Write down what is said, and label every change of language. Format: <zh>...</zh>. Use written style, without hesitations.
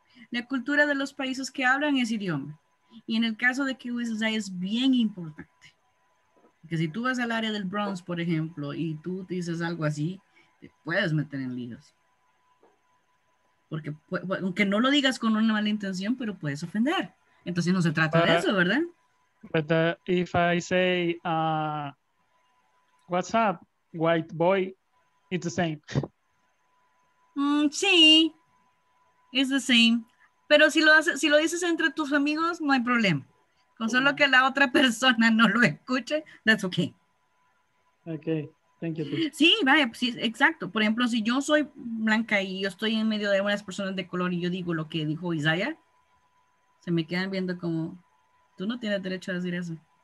<es>La cultura de los países que hablan ese idioma. Y en el caso de que uses ahí es bien importante. Porque si tú vas al área del Bronx, por ejemplo, y tú dices algo así, te puedes meter en líos. Porque aunque no lo digas con una mala intención, pero puedes ofender. Entonces no se trata de eso, ¿verdad?</es> <en>But if I say, what's up, white boy, it's the same. Sí, it's the same.</en> <es>Pero si lo haces, si lo dices entre tus amigos, no hay problema. Con solo que la otra persona no lo escuche,</es> <en>that's okay. Okay, thank you.</en> <es>Sí, vaya, sí, exacto. Por ejemplo, si yo soy blanca y yo estoy en medio de unas personas de color y yo digo lo que dijo Isaiah, se me quedan viendo como, tú no tienes derecho a decir eso.</es>